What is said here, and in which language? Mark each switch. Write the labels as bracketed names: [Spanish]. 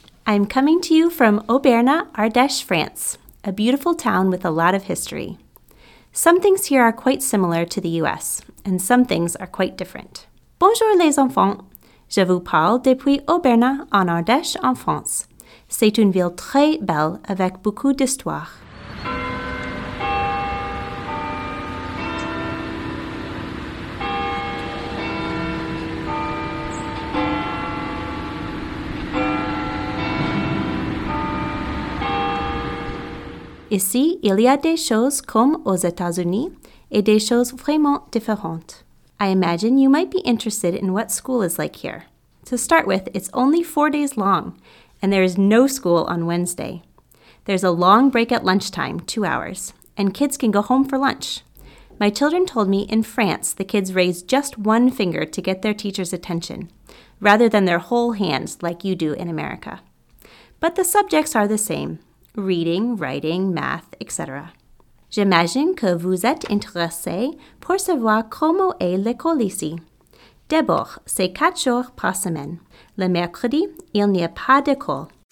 [English] I'm coming to you from Auberna, Ardèche, France, a beautiful town with a lot of history. Some things here are quite similar to the U.S., and some things are quite different. [French] Bonjour les enfants. Je vous parle depuis Auberna, en Ardèche, en France. C'est une ville très belle avec beaucoup d'histoire. Ici, il y a des choses comme aux États-Unis et des choses vraiment différentes. [English] I imagine you might be interested in what school is like here. To start with, it's only 4 days long, and there is no school on Wednesday. There's a long break at lunchtime, 2 hours, and kids can go home for lunch. My children told me in France, the kids raise just one finger to get their teacher's attention, rather than their whole hands like you do in America. But the subjects are the same. Reading, writing, math, etc. [French] J'imagine que vous êtes intéressé pour savoir comment est l'école ici. D'abord, c'est 4 jours par semaine. Le mercredi, il n'y a pas d'école.